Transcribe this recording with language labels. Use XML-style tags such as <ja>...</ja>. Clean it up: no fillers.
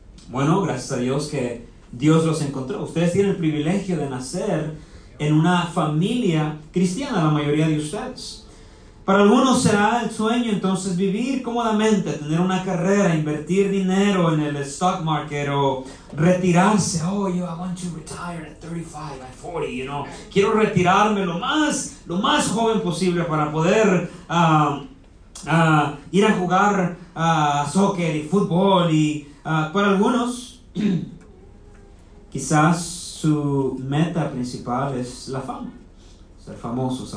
<es>Bueno, gracias a Dios que Dios los encontró. Ustedes tienen el privilegio de nacer en una familia cristiana, la mayoría de ustedes. Para algunos será el sueño entonces vivir cómodamente, tener una carrera, invertir dinero en el stock market o retirarse.</es> <en>Oh,</en> <es>yo</es> <en>I want to retire at 35, at 40, you know.</en> <es>Quiero retirarme lo más joven posible para poder ir a jugar soccer y fútbol. Y para algunos, quizás su meta principal es la fama, ser famosos.</es>